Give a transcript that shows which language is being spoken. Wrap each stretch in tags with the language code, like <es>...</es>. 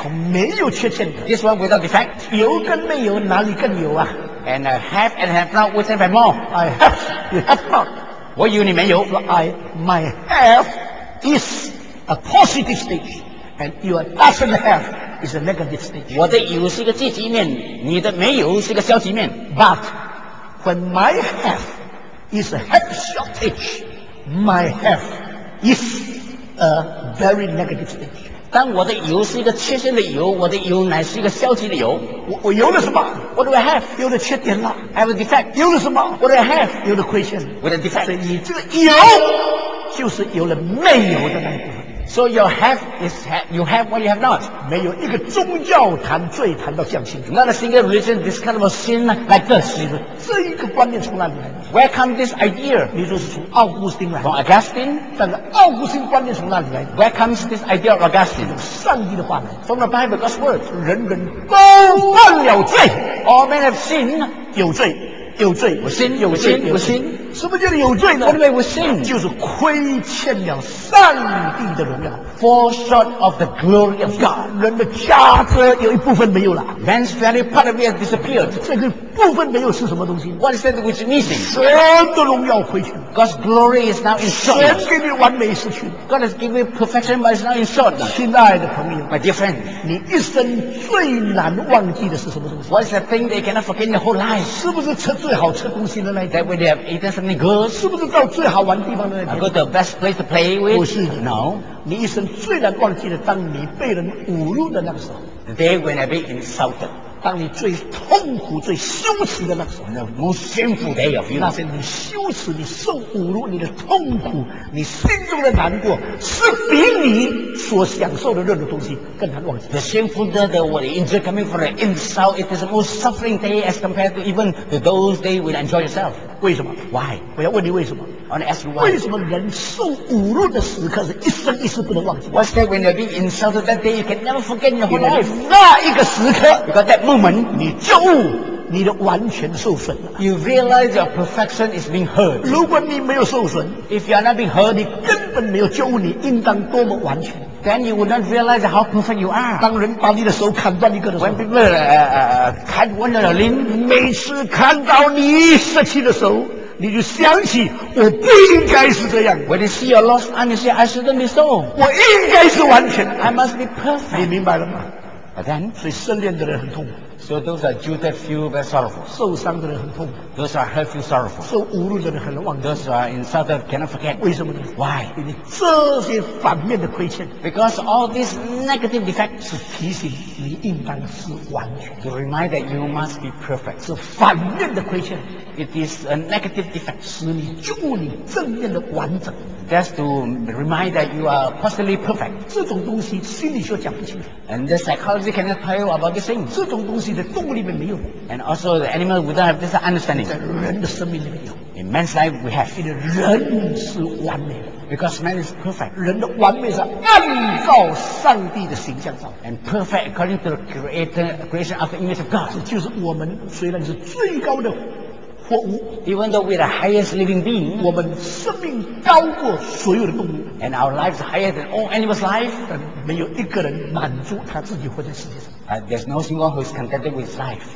<zh>可没有缺陷的。</zh> <en>This one without defect.</en> <zh>有跟没有哪里更有啊？</zh> <en>And I have and have not, which have more. I have, you have not.</en> <zh>我有你没有。</zh> <en>So I, my have is a positive stage. And your doesn't have is a negative stage.</en> <zh>我的有是一个积极面，你的没有是一个消极面。</zh> <en>But when my have is a happy shortage,My health is a very negative thing.</en> <zh>当我的有是一个缺陷的有，我的有乃是一个消极的有。我有了什么</zh> <en>？What do I have?</en> <zh>有了缺点了。</zh> <en>I have a defect.</en> <zh>有了什么</zh> <en>？What do I have?</en> <zh>有了亏欠。</zh> <en>With a defect.</en> <zh>所以你这个有就是有了没有的那一部分。</zh> <en>So your have is have, you have what you have not.</en> <zh>没有一个宗教谈最谈到相信。</zh> <en>Not a single religion this kind of a sin like this.</en> <zh>这个观念从哪里来的？</zh> <en>Where come this idea?</en> <zh>你说是从奥古斯丁来的。</zh> <en>From Augustine?</en> <zh>但是奥古斯丁观念从哪里来的？</zh> <en>Where comes this idea of Augustine?</en> <zh>从上帝的话来的。</zh> <en>From the Bible, God's word.</en> <zh>人人都犯了罪。</zh> <en>All men have sinned.</en> <zh>有罪。有罪。有sin, 有sin, 有sin。什么叫做有罪呢？</zh> <en>What do you mean with sin?</en> <zh>就是亏欠了上帝的荣耀。</zh> <en>Fall short of the glory of God.</en> <zh>人的价值有一部分没有了。</zh> <en>Man's value, part of it has disappeared.</en> <zh>这个部分没有是什么东西？</zh> <en>What is that which is missing?</en> <zh>神的荣耀亏欠。</zh> <en>God's glory is now in short.</en> <zh>神给你完美失去。</zh> <en>God has given you perfection, but it's now in short.</en> <zh>亲爱的朋友。</zh> <en>My dear friend.</en> <zh>你一生最难忘记的是什么东西？</zh> <en>What is that thing that you cannot forget in your whole life?</en> <zh>是不是吃最好吃东西的那一</zh> <en>天？ That when they have eaten something good.</en> <zh>是不是到最好玩的地方的那一天？</zh> <en>I go to the best place to play with.</en> <zh>不是的。</zh> <en>No.</en> <zh>你一生最难忘记的，当你被人侮辱的那个时候。</zh> <en>The day when I've been insulted.</en> <zh>当你最痛苦、最羞耻的那个时候。</zh> <en>The most shameful day of you.</en> <zh>那是你羞耻、你受侮辱、你的痛苦、你心中的难过，是比你所享受的任何东西更难忘记。</zh> <en>The shameful day that was injured coming from an insult, it is the most suffering day as compared to even to those days when you enjoy yourself.</en> <zh>为什么</zh> <en>？Why？</en> <zh>我要问你为什么。</zh> <en>I want to ask you why.</en> <zh>为什么人受侮辱的时刻是一生一世不能忘记</zh> <en>？What's that when you're being insulted that day you can never forget in your whole life?</en> <zh>那一个时刻</zh> <en>，You got that moment，</en> <zh>你就悟你的完全受损了。</zh> <en>You realize your perfection is being hurt.</en> <zh>如果你没有受损</zh> <en>，If you are not being hurt，</en> <zh>你根本没有觉悟你应当多么完全。</zh> <en>Then you would not realize how perfect you are.</en> <zh>当人把你的手砍断一个的时候</zh> <en>，When people cut one of your limb，</en> <zh>每次看到你失去的手。你就想起我不应该是这样。</zh> <en>When you see your lost arm, you say, I shouldn't be so.</en> <zh>我应该是完全。</zh> <en>I must be perfect.</en> <zh>你明白了吗</zh> <en>？But then,</en> <zh>所以失恋的人很痛苦。</zh> <en>So those are you that feel very sorrowful.</en> <zh>受伤的人很痛苦。</zh> <en>Those are hurt feel sorrowful.</en> <zh>受侮辱的人很难忘记。</zh> <en>Those are insulted cannot forget.</en> <zh>为什么呢</zh> <en>？Why?</en> <zh>因为这些反面的亏欠。</zh> <en>Because all these negative defects</en> <zh>是提醒你应当是完全。</zh> <en>To remind that you must be perfect.</en> <zh>是反面的亏欠。</zh> <en>It is a negative defect.</en> <zh>使你就你正面的完整。</zh> <en>Just to remind that you are possibly perfect.</en> <zh>这种东西心理学讲不清楚。</zh> <en>And the psychology cannot tell you about this thing.</en> <zh>这种东西在动物里面没有。</zh> <en>And also the animal would not have this understanding.</en> <zh>在人的生命里面有。</zh> <en>In man's life we have.</en> <zh>因为人是完美的。</zh> <en>Because man is perfect.</en> <zh>人的完美是按照上帝的形象造。</zh> <en>And perfect according to the creation of the image of God.</en> <zh>就是我们虽然是最高的。</zh> <en>Even though we are the highest living being,</en> <zh>我们生命高过所有的动物</zh> <en>and our lives higher than all animals' life,</en> <zh>但没有一个人满足他自己活在世界上</zh> <en>There's no single who is contented with life.</en>